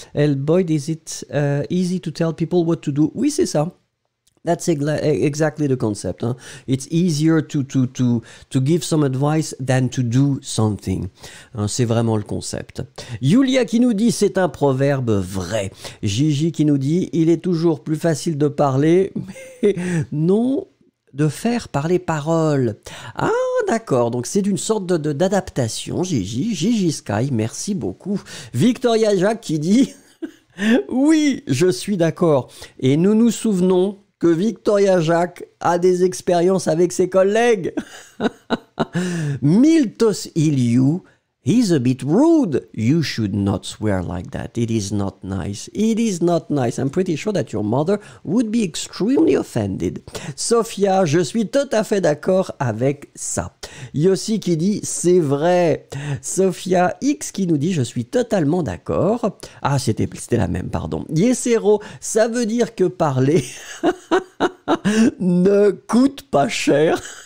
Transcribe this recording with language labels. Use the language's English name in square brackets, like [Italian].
[English] El Boyd, is it easy to tell people what to do? [French] Oui, c'est ça. [English] That's exactly the concept. Hein? It's easier to give some advice than to do something. [French] Hein, c'est vraiment le concept. Julia qui nous dit, c'est un proverbe vrai. Gigi qui nous dit, il est toujours plus facile de parler, mais non... de faire par les paroles. Ah, d'accord. Donc, c'est une sorte de d'adaptation. Gigi, Gigi Sky, merci beaucoup. Victoria Jacques qui dit « Oui, je suis d'accord. » Et nous nous souvenons que Victoria Jacques a des expériences avec ses collègues. [English] « Miltos Iliou, he's a bit rude. You should not swear like that. It is not nice. It is not nice. I'm pretty sure that your mother would be extremely offended. [French] Sophia, je suis tout à fait d'accord avec ça. Yossi qui dit, c'est vrai. Sophia X qui nous dit, je suis totalement d'accord. Ah, c'était la même, pardon. Yesero, ça veut dire que parler ne coûte pas cher.